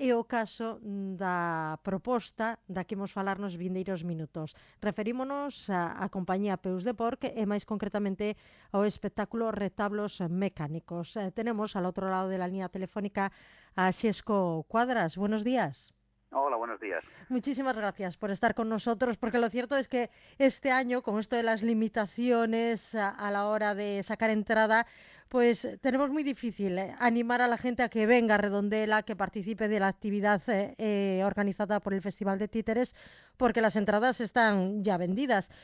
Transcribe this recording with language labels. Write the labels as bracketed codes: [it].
[gl] É o caso da proposta da que imos falar nos vindeiros minutos. Referímonos á compañía Peus de Porc e máis concretamente ao espectáculo Retablos Mecánicos. [es] Tenemos al outro lado de la línea telefónica a Xesco Cuadras. Buenos días. Hola, buenos días. Muchísimas gracias por estar con nosotros, porque lo cierto es que este año, con esto de las limitaciones a la hora de sacar entrada, pues tenemos muy difícil animar a la gente a que venga a Redondela, que participe de la actividad organizada por el Festival de Títeres, porque las entradas están ya vendidas.